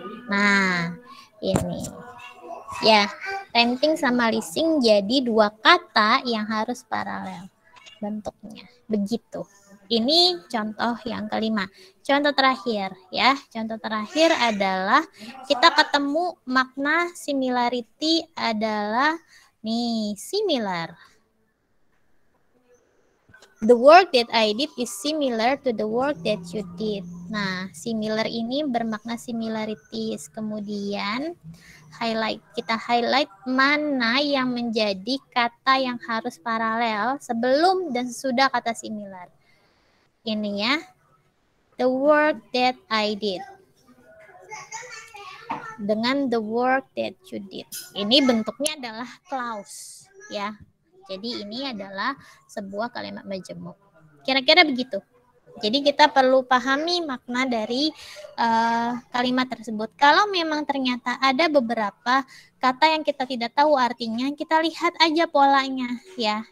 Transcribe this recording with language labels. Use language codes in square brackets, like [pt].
[id] Nah, ini. Ya, renting sama leasing jadi dua kata yang harus paralel bentuknya. Begitu. Ini contoh yang kelima. Contoh terakhir, ya. Contoh terakhir adalah kita ketemu makna similarity adalah nih, similar. [en] The work that I did is similar to the work that you did. [id] Nah, similar ini bermakna similarities. Kemudian highlight, kita highlight mana yang menjadi kata yang harus paralel sebelum dan sesudah kata similar. Ini ya, [en] the work that I did [id] dengan [en] the work that you did. [id] Ini bentuknya adalah clause, ya. Jadi ini adalah sebuah kalimat majemuk. Kira-kira begitu. Jadi kita perlu pahami makna dari kalimat tersebut. Kalau memang ternyata ada beberapa kata yang kita tidak tahu artinya, kita lihat aja polanya, ya.